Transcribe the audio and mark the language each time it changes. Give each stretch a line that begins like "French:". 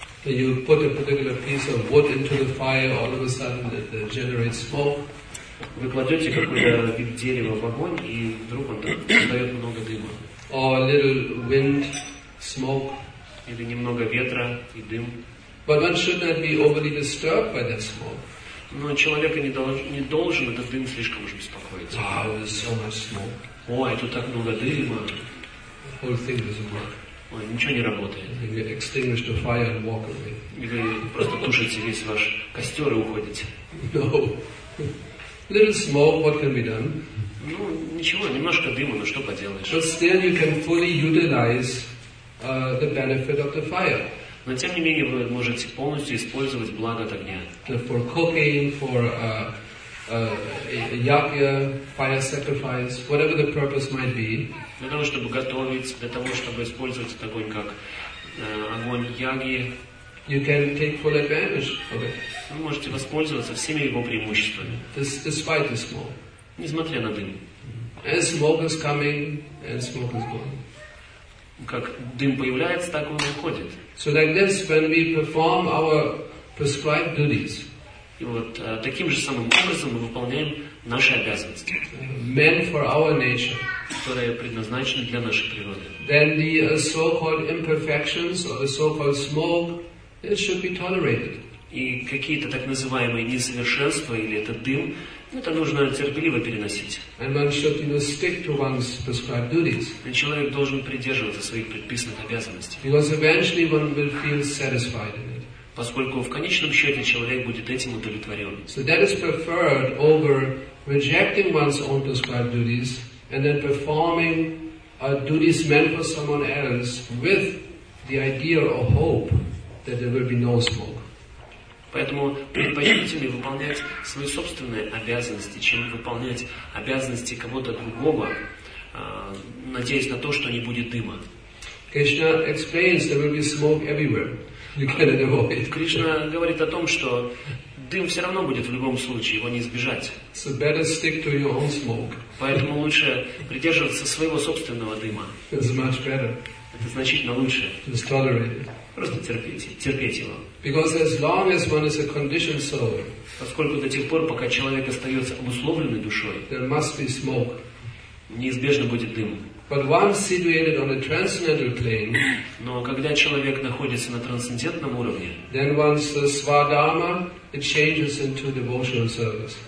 English: You put a particular piece of wood into the fire, all of a sudden it generates smoke.
Russian: Вы кладете какой-то вид дерева в огонь, и вдруг он создает много дыма.
English: Or a little wind, smoke.
Russian: Или немного ветра и дым.
English: But one should not be overly disturbed by that smoke.
Russian: Но человека не должен этот дым слишком уж беспокоить.
English: Wow, there's so much smoke.
Russian: Ой, тут так много дыма.
English: Whole thing doesn't work.
Russian: Ой, ничего не работает.
English: You extinguish the fire and walk away.
Russian: Или просто тушите весь ваш костер и уходите.
English: No. Little smoke, what can be done?
Russian: Ну, ничего, немножко дыма, но что поделаешь.
English: But still you can fully utilize the benefit of the fire.
Russian: Но тем не менее вы можете полностью использовать благо от огня.
English: For cooking, for yakya, fire sacrifice, whatever the purpose might be.
Russian: Для того, чтобы готовить, для того, чтобы использовать этот огонь как огонь яги.
English: You can take full advantage of it.
Russian: Вы можете воспользоваться всеми его преимуществами.
English: Despite the smoke.
Russian: Несмотря на дым.
English: And smoke is coming, and smoke is gone.
Russian: Как дым появляется, так он уходит.
English: So like this, when we perform our prescribed duties.
Russian: И вот таким же самым образом мы выполняем наши обязанности.
English: Meant for our nature.
Russian: Которые предназначены для нашей природы.
English: Then the so-called imperfections or the so-called smoke, it should be tolerated.
Russian: И какие-то так называемые несовершенства или этот дым, это нужно терпеливо переносить.
English: And one should, you know, stick to one's prescribed duties.
Russian: И человек должен придерживаться своих предписанных обязанностей.
English: Because eventually one will feel satisfied in it.
Russian: Поскольку в конечном счете человек будет этим удовлетворен.
English: So that is preferred over rejecting one's own prescribed duties and then performing duties meant for someone else with the idea or hope that there will be no smoke.
Russian: Поэтому предпочтительнее выполнять свои собственные обязанности, чем выполнять обязанности кого-то другого, надеясь на то, что не будет дыма.
English: Krishna explains there will be smoke everywhere. You cannot avoid.
Russian: Кришна говорит о том, что дым все равно будет в любом случае, его не избежать.
English: So better stick to your own smoke.
Russian: Поэтому лучше придерживаться своего собственного дыма.
English: It's much better.
Russian: Это значительно лучше.
English: It's tolerated.
Russian: Просто терпите, терпеть его.
English: Because as long as one is a conditioned soul,
Russian: поскольку до тех пор, пока человек остается обусловленной душой,
English: there must be smoke.
Russian: Неизбежно будет дым.
English: But once situated on a transcendental plane,
Russian: но когда человек находится на трансцендентном уровне,
English: then once the свадхарма, it changes into devotional service.